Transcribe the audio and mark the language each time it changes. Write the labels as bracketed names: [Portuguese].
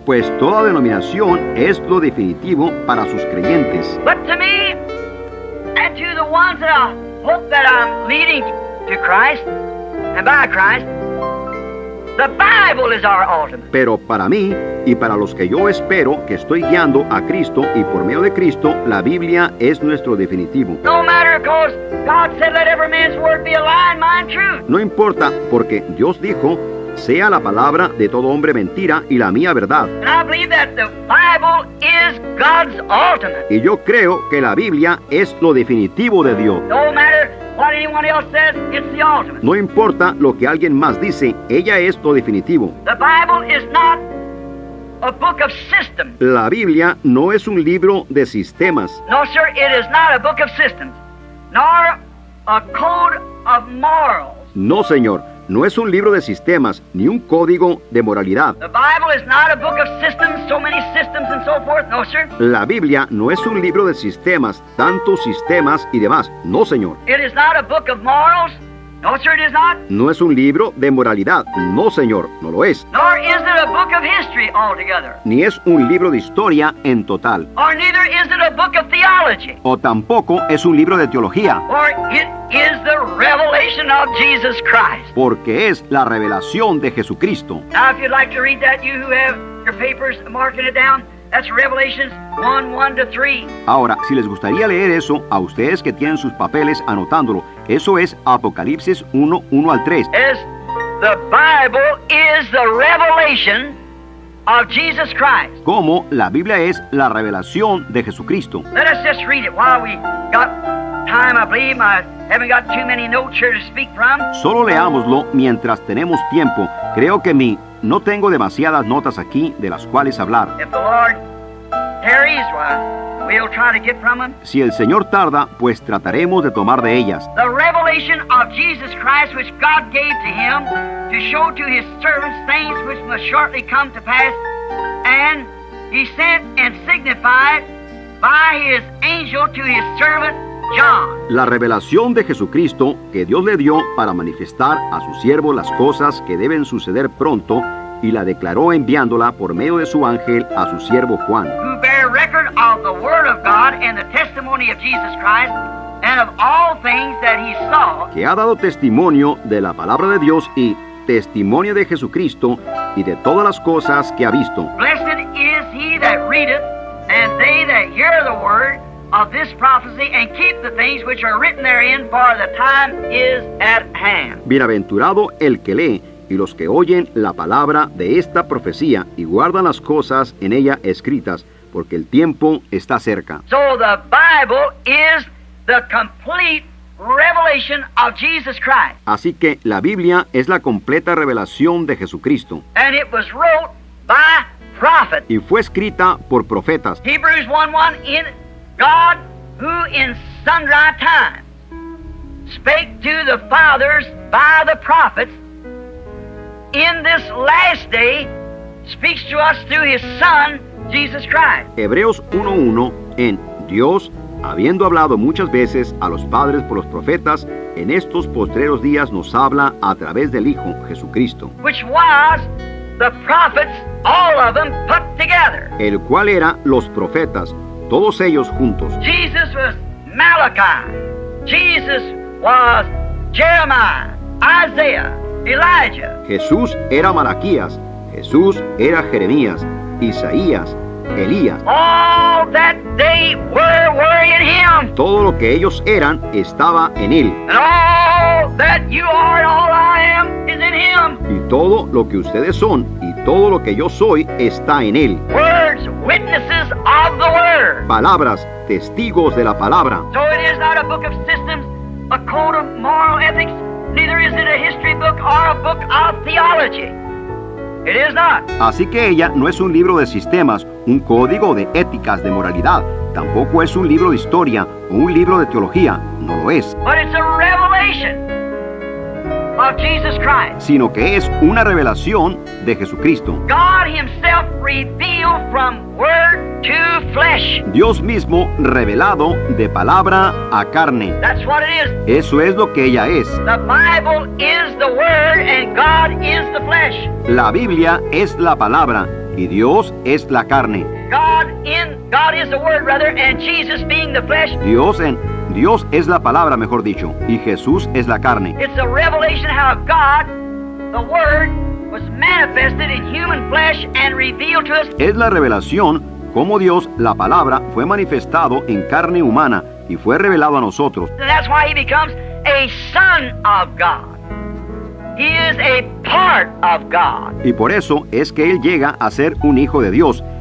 [Spanish] Pues toda denominación es lo definitivo para sus creyentes. [English] But to me, and to the ones that I hope that I'm leading to Christ and by Christ, the Bible is our ultimate. [Spanish] Pero para mí y para los que yo espero que estoy guiando a Cristo y por medio de Cristo, la Biblia es nuestro definitivo. [English] No matter, because God said, let every man's word be a lie and mine truth. [Spanish] No importa, porque Dios dijo, sea la palabra de todo hombre mentira y la mía verdad. [English] And I believe that the Bible is God's ultimate. [Spanish] Y yo creo que la Biblia es lo definitivo de Dios. [English] No matter what anyone else says, it's the ultimate. [Spanish] No importa lo que alguien más dice, ella es lo definitivo. [English] The Bible is not a book of systems. [Spanish] La Biblia no es un libro de sistemas. [English] No, sir, it is not a book of systems, nor a code of morals. [Spanish] No, señor, no es un libro de sistemas, ni un código de moralidad. [English] The Bible is not a book of systems, so many systems and so forth. No, sir. [Spanish] La Biblia no es un libro de sistemas, tantos sistemas y demás. No, señor. [English] It is not a book of morals. No, sir, it is not. [Spanish] No es un libro de moralidad. No, señor, no lo es. [English] Nor is it a book of history altogether. [Spanish] Ni es un libro de historia en total. [English] Or neither is it a book of theology. [Spanish] O tampoco es un libro de teología. [English] Or it is the revelation of Jesus Christ. [Spanish] Porque es la revelación de Jesucristo. [English] Now, if you'd like to read that, you who have your papers marking it down, that's Revelations 1:1-3. [Spanish] Ahora, si les gustaría leer eso a ustedes que tienen sus papeles anotándolo, eso es Apocalipsis 1:1-3. [English] As the Bible is the revelation of Jesus Christ. [Spanish] Como la Biblia es la revelación de Jesucristo. [English] Let us just read it while we got time, I believe. I haven't got too many notes here to speak from. [Spanish] Solo leámoslo mientras tenemos tiempo. Creo que no tengo demasiadas notas aquí de las cuales hablar. [English] If the Lord tarries, we'll try to get from them. [Spanish] Si el Señor tarda, pues trataremos de tomar de ellas. [English] The revelation of Jesus Christ, which God gave to him to show to his servants things which must shortly come to pass, and he sent and signified by his angel to his servant John. [Spanish] La revelación de Jesucristo que Dios le dio para manifestar a su siervo las cosas que deben suceder pronto, y la declaró enviándola por medio de su ángel a su siervo Juan, [English] who bear record of the word of God and the testimony of Jesus Christ and of all things that he saw, [Spanish] que ha dado testimonio de la palabra de Dios y testimonio de Jesucristo y de todas las cosas que ha visto. [English] Blessed is he that readeth, and they that hear the word of this prophecy and keep the things which are written therein, for the time is at hand. [Spanish] Bienaventurado el que lee y los que oyen la palabra de esta profecía y guardan las cosas en ella escritas, porque el tiempo está cerca. [English] So the Bible is the complete revelation of Jesus Christ. [Spanish] Así que la Biblia es la completa revelación de Jesucristo. [English] And it was wrote by prophet. [Spanish] Y fue escrita por profetas. [English] Hebrews 1:1, in God who in sundry times spake to the fathers by the prophets, in this last day speaks to us through his Son Jesus Christ. [Spanish] Hebreos 1:1, en Dios habiendo hablado muchas veces a los padres por los profetas, en estos postreros días nos habla a través del Hijo Jesucristo. [English] Which was the prophets, all of them put together. [Spanish] El cual era los profetas, todos ellos juntos. [English] Jesus was Malachi. Jesus was Jeremiah, Isaiah, Elijah. [Spanish] Jesús era Malaquías. Jesús era Jeremías, Isaías, Elías. [English] All that they were in him. [Spanish] Todo lo que ellos eran estaba en él. [English] And all that you are and all I am is in him. [Spanish] Y todo lo que ustedes son y todo lo que yo soy está en él. [English] Words, witnesses of the word. [Spanish] Palabras, testigos de la palabra. [English] So it is not a book of systems, a code of moral ethics, neither is it a history book or a book of theology. It is not. [Spanish] Así que ella no es un libro de sistemas, un código de éticas, de moralidad. Tampoco es un libro de historia o un libro de teología. No lo es. [English] But it's a revelation of Jesus Christ. [Spanish] Sino que es una revelación de Jesucristo. [English] God himself revealed from word to flesh. [Spanish] Dios mismo revelado de palabra a carne. [English] That's what it is. [Spanish] Eso es lo que ella es. [English] The Bible is the word and God is the flesh. [Spanish] La Biblia es la palabra y Dios es la carne. [English] God is the word, rather, and Jesus being the flesh. [Spanish] Dios es la palabra, mejor dicho, y Jesús es la carne. [English] It's a revelation how God, the word, was manifested in human flesh and revealed to us. [Spanish] Es la revelación cómo Dios, la palabra, fue manifestado en carne humana y fue revelado a nosotros. [English] And that's why he becomes a son of God. He is a part of God. [Spanish] Y por eso es que él llega a ser un hijo de Dios.